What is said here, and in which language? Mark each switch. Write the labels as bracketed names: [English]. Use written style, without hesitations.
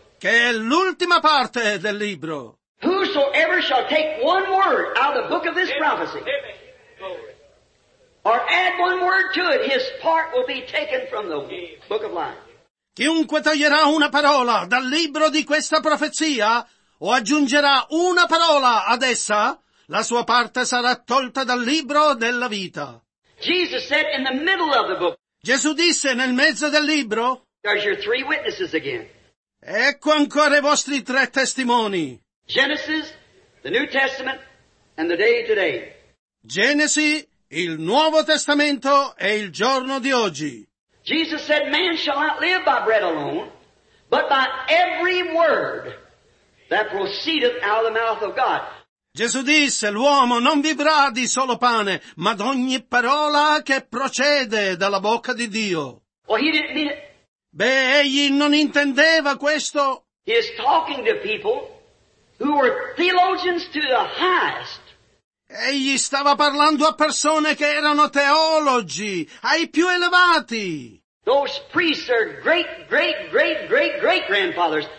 [Italian] Che è l'ultima parte del libro. [English] Whosoever shall take one word out of the book of this prophecy, or add one word to it, his part will be taken from the book of life. [Italian] Chiunque toglierà una parola dal libro di questa profezia, o aggiungerà una parola ad essa, la sua parte sarà tolta dal libro della vita. [English] Jesus said in the middle of the book, [Italian] Gesù disse nel mezzo del libro, [English] there's your three witnesses again. [Italian] Ecco ancora i vostri tre testimoni. [English] Genesis, the New Testament, and the day today. [Italian] Genesi, il Nuovo Testamento e il giorno di oggi. [English] Jesus said, man shall not live by bread alone, but by every word that proceedeth out of the mouth of God. [Italian] Gesù disse, l'uomo non vivrà di solo pane, ma d'ogni parola che procede dalla bocca di Dio. [English] Well, he didn't mean it. [Italian] Beh, egli non intendeva questo. [English] He is talking to people who were theologians to the highest. [Italian] Egli stava parlando a persone che erano teologi, ai più elevati. [English] Those priests are great, great, great, great, great grandfathers.